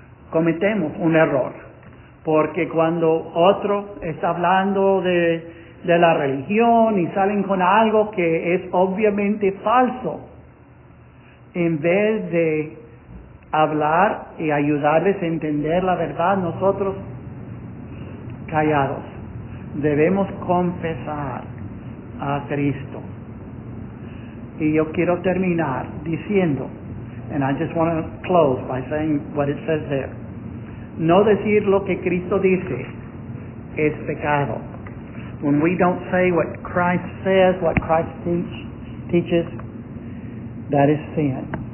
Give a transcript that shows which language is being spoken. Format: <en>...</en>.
<es>cometemos un error, porque cuando otro está hablando de la religión y salen con algo que es obviamente falso, en vez de hablar y ayudarles a entender la verdad, nosotros callados debemos confesar a Cristo. Y yo quiero terminar diciendo,</es> <en>and I just want to close by saying what it says there.</en> <es>No decir lo que Cristo dice es pecado.</es> <en>When we don't say what Christ says, what Christ teaches, that is sin.</en>